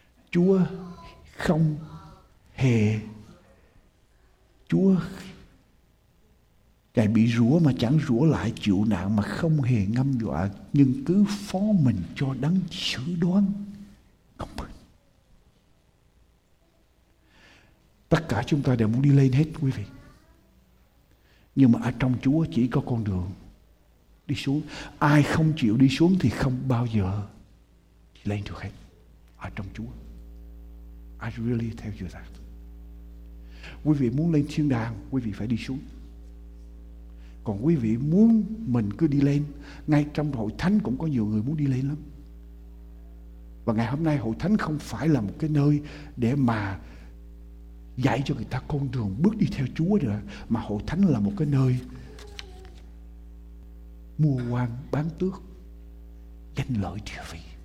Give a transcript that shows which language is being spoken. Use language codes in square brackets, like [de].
[vi] Chúa không hề, Chúa Ngài bị rủa mà chẳng rủa lại, chịu nạn mà không hề ngâm dọa, nhưng cứ phó mình cho đấng xử đoán công bình. Tất cả chúng ta đều muốn đi lên hết quý vị, nhưng mà ở trong Chúa chỉ có con đường đi xuống. Ai không chịu đi xuống thì không bao giờ lên được hết. Ở trong Chúa, [en] I really tell you that. [vi] Quý vị muốn lên thiên đàng, quý vị phải đi xuống. Còn quý vị muốn mình cứ đi lên, ngay trong hội thánh cũng có nhiều người muốn đi lên lắm. Và ngày hôm nay hội thánh không phải là một cái nơi để mà dạy cho người ta con đường bước đi theo Chúa nữa, mà hội thánh là một cái nơi mua quan bán tước, danh lợi địa vị.